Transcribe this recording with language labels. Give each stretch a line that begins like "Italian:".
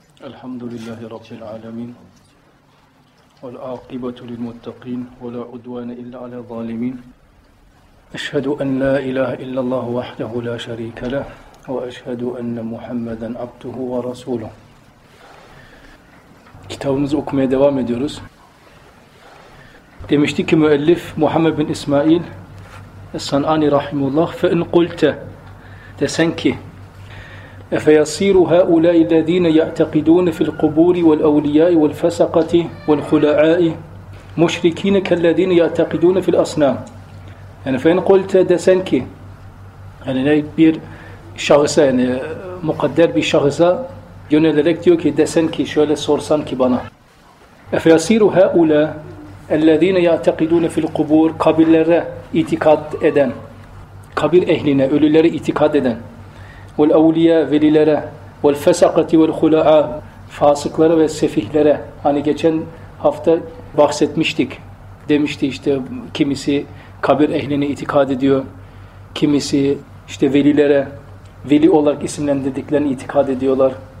Arabic: الحمد لله رب العالمين، والعاقبة للمتقين، ولا عدوان إلا على الظالمين. أشهد أن لا إله إلا الله وحده لا شريك له، وأشهد أن محمدا عبده ورسوله.
Turkish: Kitabımızı okumaya devam ediyoruz. Demişti ki müellif Muhammed bin İsmail Es-San'ani rahimullah,
Arabic: فَاِنْ قُلْتَ
Turkish: desen ki
Arabic: اَفَيَصِيرُ هَاُولَٰئِ الَّذ۪ينَ يَعْتَقِدُونَ فِي الْقُبُورِ وَالْاَوْلِيَاءِ وَالْفَسَقَةِ وَالْخُلَعَاءِ مُشْرِك۪ينَ كَالَّذ۪ينَ يَعْتَقِدُونَ فِي الْأَصْنَامِ.
Turkish: Yani
Arabic: فَاِنْ قُلْتَ
Turkish: desen ki, yani bir şahısa, yani mukadder bir şahısa yönelerek diyor ki, desen ki, şöyle sorsan ki bana.
Arabic: اَفَيَصِيرُ هَاُولَٰئِ الَّذ۪ينَ يَعْتَقِدُونَ فِي الْقُبُورِ
Turkish: kabirlere itikad eden, kabir ehline, ölülere itikad eden,
Arabic: وَالْاَوْلِيَا
Turkish: velilere,
Arabic: وَالْفَسَقَةِ وَالْخُلَعَى
Turkish: fasıklara ve sefihlere, hani geçen hafta bahsetmiştik, demişti işte kimisi kabir ehline itikad ediyor, kimisi işte velilere, veli olarak isimlendirdiklerini itikad ediyorlar.